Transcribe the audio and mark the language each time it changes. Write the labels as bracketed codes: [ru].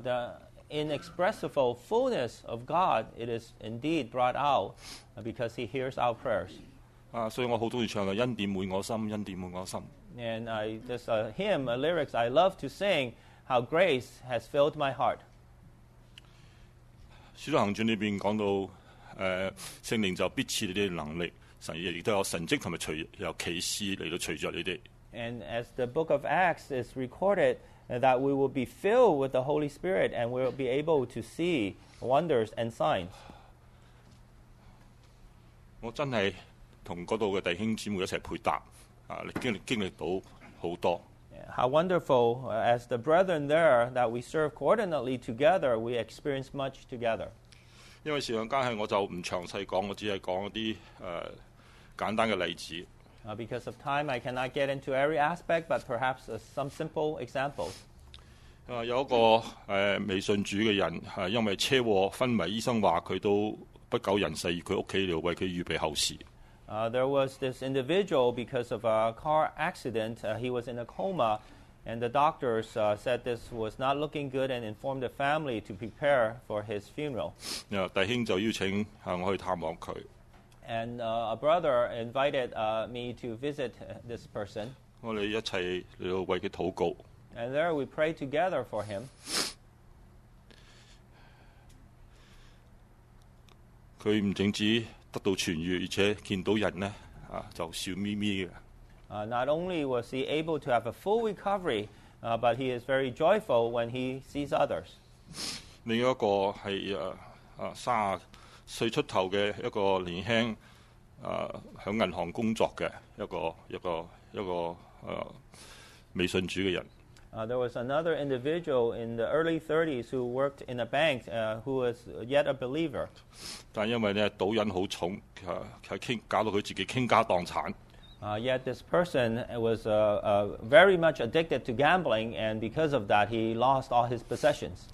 [en] The inexpressible fullness of God, it is indeed brought out because He hears our prayers. [yue] 所以我好中意唱嘅恩典满我心，恩典满我心。 [en] And this hymn, a lyrics I love to sing, how grace has filled my heart. [yue] 使徒行传里边讲到，圣灵就必赐你啲能力。神亦都有神迹同埋随有启示嚟到随著你哋。 [en] And as the book of Acts is recorded, that we will be filled with the Holy Spirit and we'll be able to see wonders and signs. [yue] 我真系同嗰度嘅弟兄姊妹一齐配搭，经历到好多。 [en] How wonderful! As the brethren there that we serve coordinately together, we experience much together. [yue] 因為時間關係，我就唔詳細講，我只係講一啲簡單嘅例子。 [en] Because of time, I cannot get into every aspect, but perhaps some simple examples. [yue] 有一個未信主嘅人，因為車禍昏迷，醫生話佢都不久人世，而佢屋企要為佢預備後事。 [en] There was this individual because of a car accident. He was in a coma, and the doctors said this was not looking good and informed the family to prepare for his funeral. [yue] 弟兄就邀請我去探望佢。 [en] And a brother invited me to visit this person. [yue] 我哋一齊嚟到為佢禱告。 [en] And there we prayed together for him. [yue] 佢唔僅止得到痊愈，而且見到人咧就笑眯眯嘅。 [en] Not only was he able to have a full recovery, but he is very joyful when he sees others. [yue] 另一個係三十歲出頭嘅一個年輕喺銀行工作嘅一個未信主嘅人。 [en] There was another individual in the early 30s who worked in a bank, who was yet a believer. [yue] 但因為咧賭癮好重，搞到佢自己傾家蕩產。 [en] Yet this person was very much addicted to gambling, and because of that, he lost all his possessions.